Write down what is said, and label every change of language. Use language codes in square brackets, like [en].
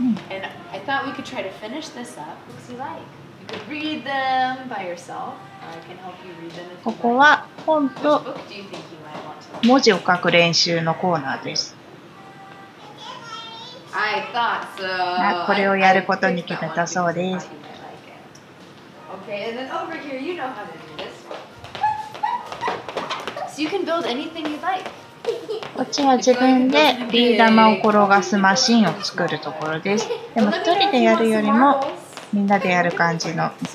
[en] And I thought we could try to finish this up. Books you like. You could read them by yourself, or I can help you read them if you like. Which book do you think you might want to? [ja] 文字を書く練習のコーナーです。 [en] I thought so. [ja] これをやることに決めたそうです。 [en] Okay, and then over here, you know how to do this. So you can build anything you like. [ja] こっちは自分でビー玉を転がすマシンを作るところです。でも一人でやるよりもみんなでやる感じの。